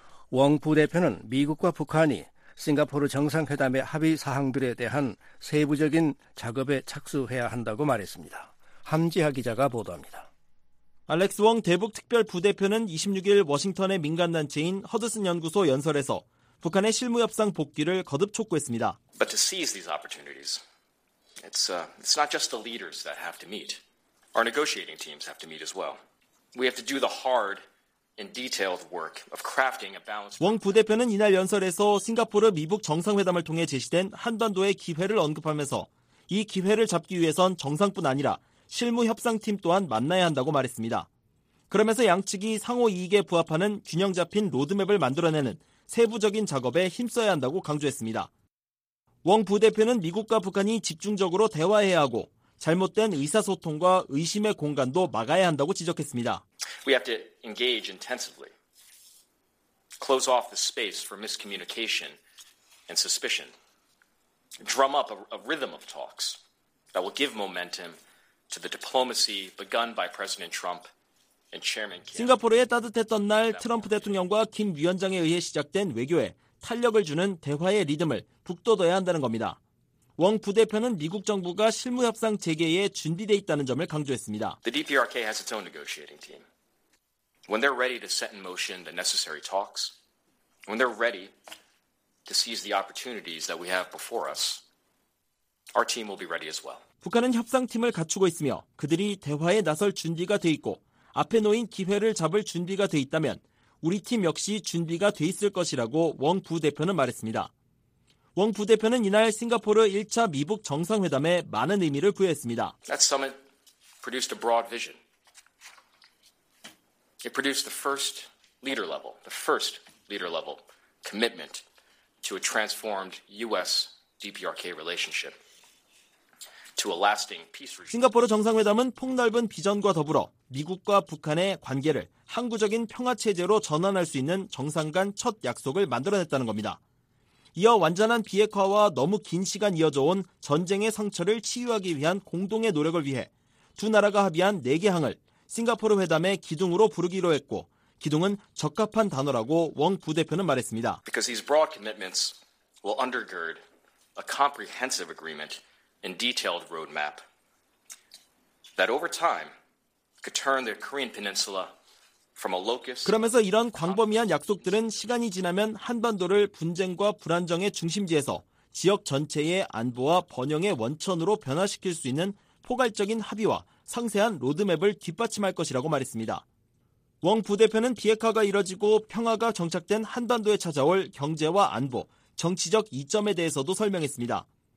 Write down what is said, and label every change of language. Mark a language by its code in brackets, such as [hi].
[ko] 웡 부대표는 미국과 북한이 싱가포르 정상회담의 합의 사항들에 대한 세부적인 작업에 착수해야 한다고 말했습니다. 함지하 기자가 보도합니다. 알렉스 웡 대북 특별 부대표는 26일 워싱턴의 민간 단체인 허드슨 연구소 연설에서 북한의 실무 협상 복귀를 거듭 촉구했습니다. [en] But to seize these opportunities. It's not just the leaders that have to meet. Our negotiating teams have to meet as well. We have to do the hard and detailed work of crafting a balance. [ko] 웡 부대표는 이날 연설에서 싱가포르 미북 정상회담을 통해 제시된 한반도의 기회를 언급하면서 이 기회를 잡기 위해선 정상뿐 아니라 실무 협상팀 또한 만나야 한다고 말했습니다. 그러면서 양측이 상호 이익에 부합하는 균형 잡힌 로드맵을 만들어내는 세부적인 작업에 힘써야 한다고 강조했습니다. 웡 부대표는 미국과 북한이 집중적으로 대화해야 하고 잘못된 의사소통과 의심의 공간도 막아야 한다고 지적했습니다. [en] We have to engage intensively. Close off the space for miscommunication and suspicion. Drum up a rhythm of talks that will give momentum to the diplomacy begun by President Trump and Chairman Kim. [ko] 싱가포르의 따뜻했던 날 트럼프 대통령과 김 위원장에 의해 시작된 외교에 탄력을 주는 대화의 리듬을 북돋아야 한다는 겁니다. 웡 부대표는 미국 정부가 실무 협상 재개에 준비돼 있다는 점을 강조했습니다. [en] The DPRK has its own negotiating team. When they're ready to set in motion the necessary talks, when they're ready to seize the opportunities that we have before us, our team will be ready as well. [ko] 북한은 협상팀을 갖추고 있으며 그들이 대화에 나설 준비가 돼 있고 앞에 놓인 기회를 잡을 준비가 돼 있다면 우리 팀 역시 준비가 돼 있을 것이라고 웡 부대표는 말했습니다. 웡 부대표는 이날 싱가포르 1차 미북 정상회담에 많은 의미를 부여했습니다. [en] That summit produced a broad vision. It produced the first leader level commitment to a transformed US DPRK relationship. To a lasting peace regime. [ko] 싱가포르 정상회담은 폭넓은 비전과 더불어 미국과 북한의 관계를 항구적인 평화체제로 전환할 수 있는 정상 간 첫 약속을 만들어냈다는 겁니다. 이어 완전한 비핵화와 너무 긴 시간 이어져온 전쟁의 상처를 치유하기 위한 공동의 노력을 위해 두 나라가 합의한 4개 항을 싱가포르 회담의 기둥으로 부르기로 했고 기둥은 적합한 단어라고 웡 부대표는 말했습니다. [en] Because these broad commitments will undergird a comprehensive agreement in detailed roadmap that over time could turn the Korean Peninsula from a locus. [ko] 그러면서 이런 광범위한 약속들은 시간이 지나면 한반도를 분쟁과 불안정의 중심지에서 지역 전체의 안보와 번영의 원천으로 변화시킬 수 있는 포괄적인 합의와 상세한 로드맵을 뒷받침할 것이라고 말했습니다. 웡 부대표는 비핵화가 이뤄지고 평화가 정착된 한반도에 찾아올 경제와 안보, 정치적 이점에 대해서도 설명했습니다.